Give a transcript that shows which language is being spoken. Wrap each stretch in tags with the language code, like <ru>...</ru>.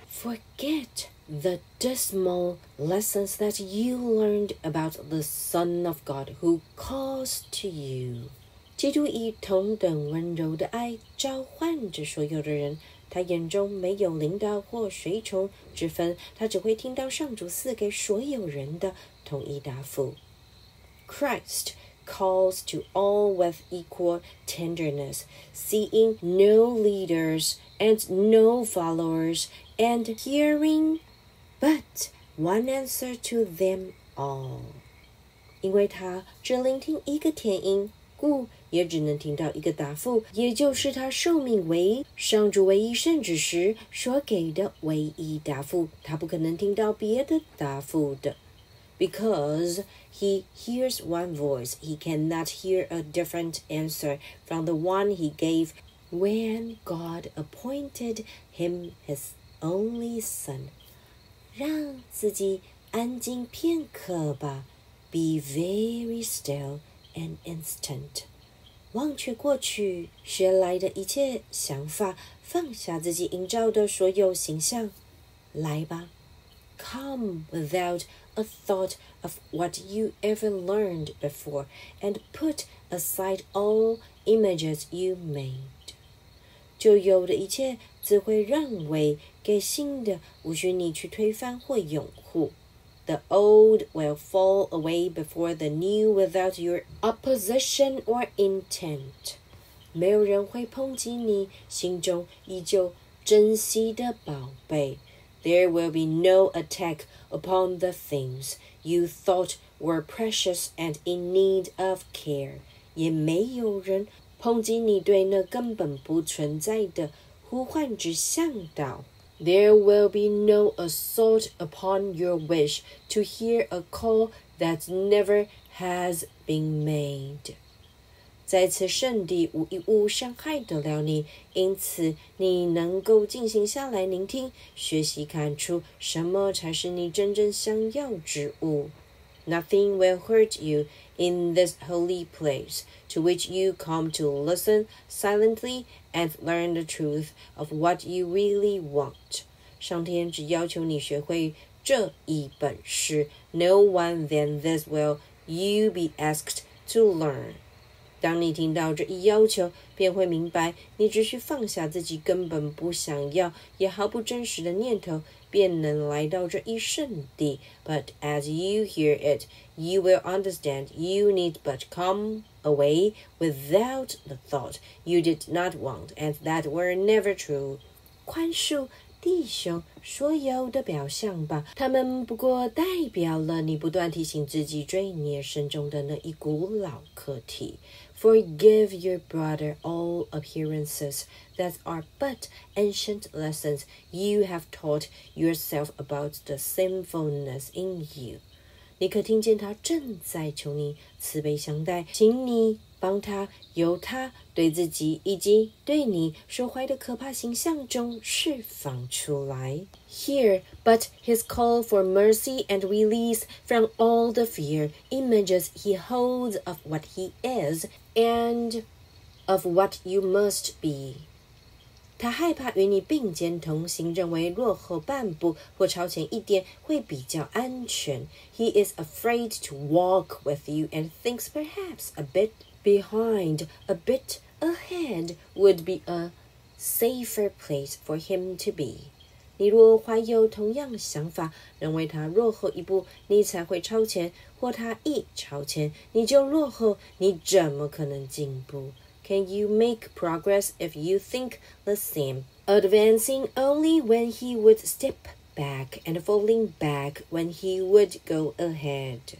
<en>Forget the dismal lessons that you learned about the Son of God who calls to you.</en> <zh>基督以同等温柔的爱召唤着所有的人，他眼中没有领导或随从之分，他只会听到上主赐给所有人的统一答复。</zh> <en>Christ. Calls to all with equal tenderness, seeing no leaders and no followers, and hearing but one answer to them all.</en> <zh>因为他只聆听一个天音，故也只能听到一个答复，也就是他受命为上主唯一圣旨时所给的唯一答复，他不可能听到别的答复的。</zh> <en>Because he hears one voice, he cannot hear a different answer from the one he gave when God appointed him his only son.</en> <zh>让自己安静片刻吧。</zh> <en>Be very still an instant.</en> <zh>忘却过去学来的一切想法，放下自己营造的所有形象。来吧。</zh> <en>Come without a thought of what you ever learned before, and put aside all images you made.</en> <zh>旧有的一切只会让位给新的，无需你去推翻或拥护。</zh> <en>The old will fall away before the new without your opposition or intent.</en> <zh>没有人会抨击你心中依旧珍惜的宝贝。</zh> <en>There will be no attack upon the things you thought were precious and in need of care.</en> <zh>也没有人抨击你对那根本不存在的呼唤之向导。</zh> <en>There will be no assault upon your wish to hear a call that never has been made.</en> <zh>在此圣地无一物伤害得了你，因此你能够静心下来聆听，学习看出什么才是你真正想要之物。</zh> <en>Nothing will hurt you in this holy place to which you come to listen silently and learn the truth of what you really want.</en> <zh>上天只要求你学会这一本事。</zh> <en>No one than this will you be asked to learn.</en> <zh>当你听到这一要求，便会明白你只需放下自己根本不想要也毫不真实的念头，便能来到这一圣地。</zh> <en>But as you hear it, you will understand you need but come away without the thought you did not want and that were never true.</en> <zh>宽恕弟兄所有的表象吧，他们不过代表了你不断提醒自己罪孽深重的那一股老课题。</zh> <en>Forgive your brother all appearances that are but ancient lessons you have taught yourself about the sinfulness in you.</en> <zh>你可听见他正在求你慈悲相待，请你帮他由他对自己以及对你所怀的可怕形象中释放出来。</zh> <en>Hear but his call for mercy and release from all the fear images he holds of what he is and of what you must be.</en> <zh>他害怕与你并肩同行，认为落后半步或超前一点会比较安全。</zh> <en>He is afraid to walk with you and thinks perhaps a bit behind, a bit ahead would be a safer place for him to be.</en> <zh>你若怀有同样想法，认为他落后一步，你才会超前，或他一超前，你就落后，你怎么可能进步？</zh> <en>Can you make progress if you think the same? Advancing only when he would step back and falling back when he would go ahead.</en>